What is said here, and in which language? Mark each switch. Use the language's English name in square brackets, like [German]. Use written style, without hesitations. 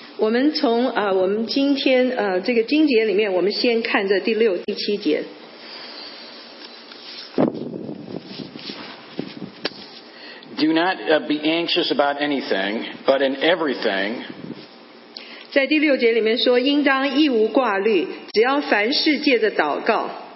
[Chinese] 我们从我们今天这个经节里面，我们先看这第六、第七节。 [English] Do not be anxious about anything, but in everything. [Chinese] 在第六节里面说，应当一无挂虑，只要凡事借着祷告。